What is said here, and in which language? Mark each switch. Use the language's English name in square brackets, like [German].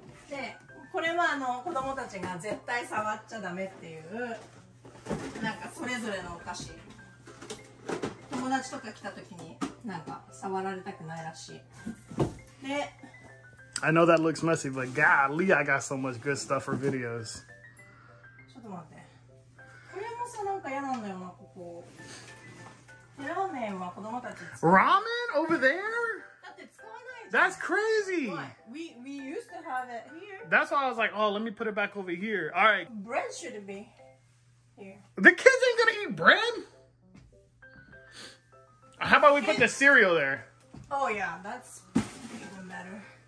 [Japanese] で、これはあの子供たちが絶対触っちゃダメっていう、なんかそれぞれのお菓子。友達とか来た時になんか触られたくないらしい。で、 [English] I know that looks messy, but golly, I got so much good stuff for videos. [Japanese] ちょっと待って。これもさなんか嫌なんだよな、ここ。ラーメンは子供たち。 [English] Ramen over there? [Japanese] だって使わないじゃん。 [English] That's crazy. We used to have it here. That's why I was like, oh, let me put it back over here. All right. Bread should be here. The kids ain't gonna eat bread? How about we put the cereal there? Oh yeah, that's even better.